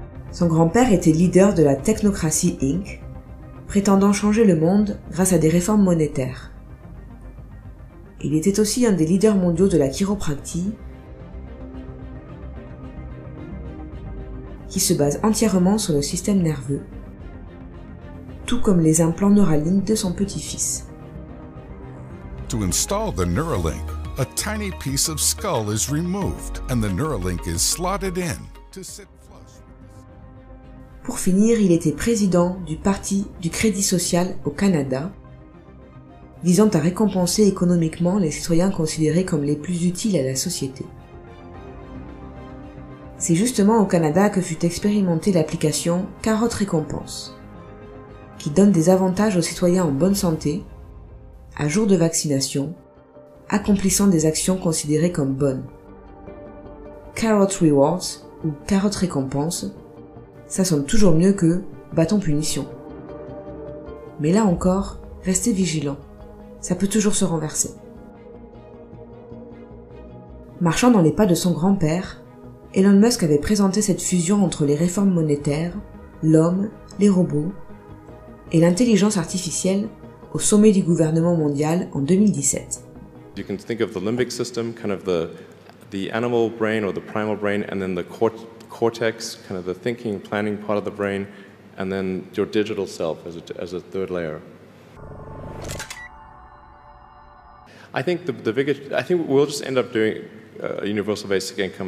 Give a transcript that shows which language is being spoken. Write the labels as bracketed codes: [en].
[fr] Son grand-père était leader de la Technocracy Inc., prétendant changer le monde grâce à des réformes monétaires. Il était aussi un des leaders mondiaux de la chiropractie, qui se base entièrement sur le système nerveux, tout comme les implants Neuralink de son petit-fils. [en] To install the Neuralink, a tiny piece of skull is removed and the Neuralink is slotted in to sit. [fr] Pour finir, il était président du Parti du Crédit Social au Canada, visant à récompenser économiquement les citoyens considérés comme les plus utiles à la société. C'est justement au Canada que fut expérimentée l'application Carotte Récompense, qui donne des avantages aux citoyens en bonne santé, à jour de vaccination, accomplissant des actions considérées comme bonnes. Carotte Rewards, ou Carotte Récompense, ça sonne toujours mieux que bâton punition. Mais là encore, restez vigilants. Ça peut toujours se renverser. Marchant dans les pas de son grand-père, Elon Musk avait présenté cette fusion entre les réformes monétaires, l'homme, les robots et l'intelligence artificielle au sommet du gouvernement mondial en 2017. [en] You can think of the limbic system, kind of the animal brain or the primal brain, and then the cortex, kind of the thinking, planning part of the brain, and then your digital self as a third layer. I think the bigger, I think we'll just end up doing universal basic income.